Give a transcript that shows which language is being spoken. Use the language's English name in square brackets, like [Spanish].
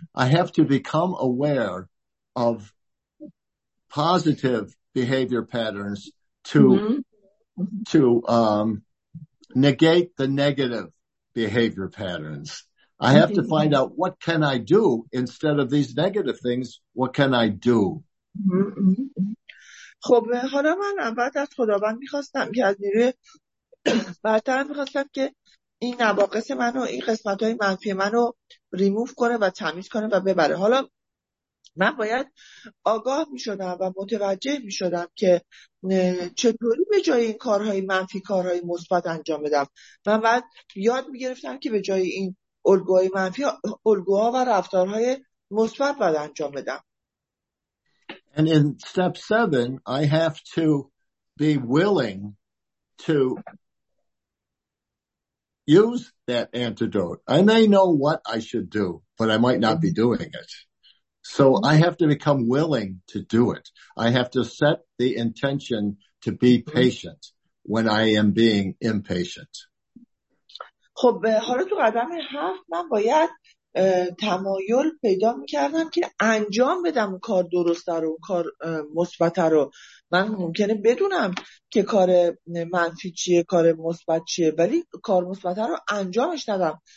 [English] I have to become aware of positive behavior patterns to negate the negative behavior patterns. I have to find out, what can I do instead of these negative things? What can I do? [Persian] خب حالا من بعد از خداوند میخواستم که از نیروی برتر میخواستم که این نواقص منو، این قسمت های منفی منو ریموف کنه و تمیز کنه و ببره. حالا من باید آگاه میشدم و متوجه میشدم که چطوری به جای این کارهای منفی کارهای مثبت انجام بدم. من بعد یاد میگرفتم که به جای این الگوهای منفی الگوها و رفتارهای مثبت باید انجام بدم. [English] And in step 7 I have to be willing to use that antidote. I may know what I should do, but I might not be doing it. So I have to become willing to do it. I have to set the intention to be patient when I am being impatient. [Persian] خب حالا تو قدم 7 من باید تمایل پیدا میکردم که انجام بدم کار درسته رو، کار مثبته رو. من ممکنه بدونم که کار منفی چیه، کار مثبت چیه، ولی کار مثبته رو انجامش ندم.